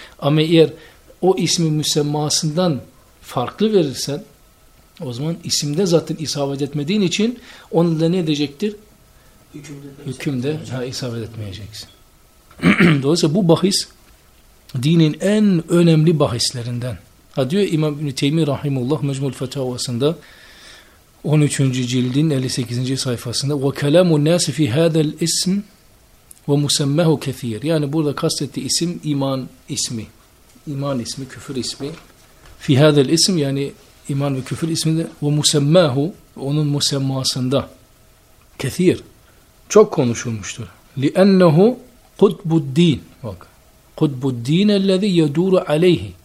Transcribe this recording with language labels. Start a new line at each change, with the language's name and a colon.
Turkish: Ama eğer o ismi müsemmasından farklı verirsen o zaman isimde zaten isabet etmediğin için onu da ne edecektir? Hükümde isabet etmeyeceksin. Dolayısıyla bu bahis dinin en önemli bahislerinden. Ha diyor İmam İbn-i Teymi Rahimullah Mecmul Fetavası'nda 13. cildin 58. sayfasında
Arabic: وَكَلَمُ النَّاسِ فِي هَذَا الْاِسْمِ وَمُسَمَّهُ كَثِيرٌ.
Turkish: Yani burada kastettiği isim iman ismi. İman ismi, küfür ismi.
Arabic: فِي هَذَا الْاِسْمِ
Turkish: yani iman ve küfür isminde
Arabic: وَمُسَمَّهُ
Turkish: onun musemmasında
Arabic: كَثِيرٌ
Turkish: çok konuşulmuştur.
Arabic: لِأَنَّهُ قُطْبُ الدِّينِ bak قُطْبُ الدِّينَ الَّذِي يَدُورُ عَلَيْهِ.